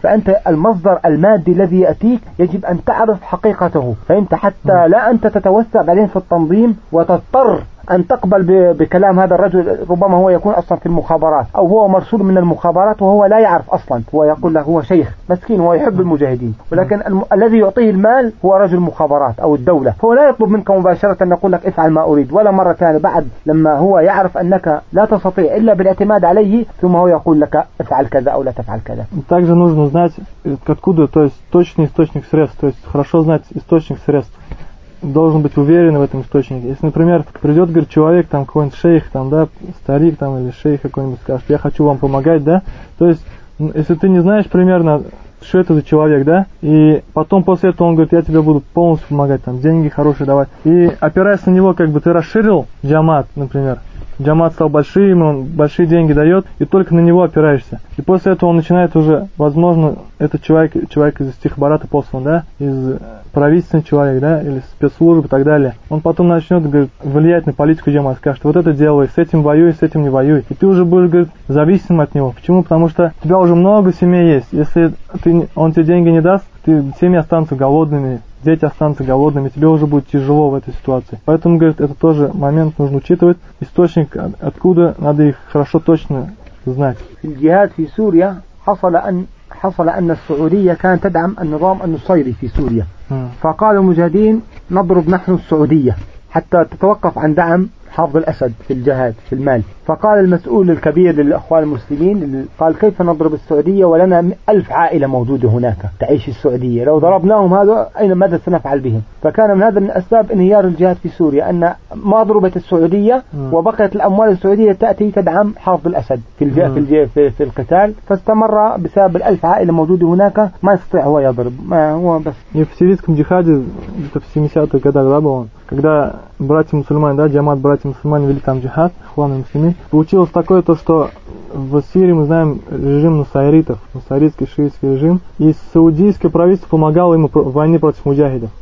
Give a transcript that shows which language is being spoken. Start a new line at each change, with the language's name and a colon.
Arabic: فأنت المصدر المادي الذي يأتيك يجب أن تعرف حقيقته، فأنت حتى لا أنت تتوسع بعدين في التنظيم وتضطر أن تقبل بكلام هذا الرجل، ربما هو يكون أصلا في المخابرات أو هو مرسول من المخابرات وهو لا يعرف أصلا، هو يقول له هو شيخ مسكين ويحب المجاهدين، ولكن الذي يعطيه المال هو رجل المخابرات أو الدولة، هو لا يطلب منك مباشرة أن يقول لك افعل ما أريد ولا مرة ثانية. بعد لما هو يعرف أنك لا تستطيع إلا بالاعتماد عليه، ثم هو يقول لك افعل كذا أو لا تفعل كذا.
Russian: также нужно знать откуда, то есть точный источник средств, то есть хорошо знать источник средств. Должен быть уверен в этом источнике. Если, например, придет, говорит, человек, там какой-нибудь шейх, там, да, старик там, или шейх какой-нибудь, скажет, я хочу вам помогать, да. То есть, если ты не знаешь примерно, что это за человек, да, и потом после этого он говорит, я тебе буду полностью помогать, там, деньги хорошие давать. И опираясь на него, как бы ты расширил джамат, например. Джамат стал большим, он большие деньги дает, и только на него опираешься. И после этого он начинает уже, возможно, это человек из стихобората послан, да, из правительственный человек, да, или спецслужбы и так далее. Он потом начнет, говорит, влиять на политику джамата, скажет, вот это делай, с этим воюй, с этим не воюй. И ты уже будешь, говорит, зависим от него. Почему? Потому что у тебя уже много семей есть. Если он тебе деньги не даст, семьи останутся голодными, дети останутся голодными, тебе уже будет тяжело в этой ситуации. Поэтому, говорит, это тоже момент нужно учитывать. Источник откуда, надо их хорошо точно знать. Джихад в Сурии
Arabic: حصل أن السعودية كانت تدعم النظام النصيري في سوريا، فقال المجاهدين نضرب نحن السعودية حتى تتوقف عن دعم حافظ الأسد في الجهاد في المال. فقال المسؤول الكبير للأخوان المسلمين، قال كيف نضرب السعودية ولنا 1000 عائلة موجودة هناك تعيش السعودية، لو ضربناهم هذا أين ماذا سنفعل بهم؟ فكان من هذا الأسباب انهيار الجهاد في سوريا، أن ما ضربت السعودية وبقيت الأموال السعودية تأتي تدعم حافظ الأسد في القتال، فاستمر بسبب 1000 عائلة موجودة هناك ما يستطيع هو يضرب، ما هو بس في سيريسكم جهاد في
Russian: 70-х годах رابعون когда братья мусульмане, да, джамат братья мусульмане вели там джихад, хуаны мусульмане. Получилось такое то, что в Сирии мы знаем режим нусайритов, нусайритский шиитский режим, и саудийское правительство помогало ему в войне против муджахидов.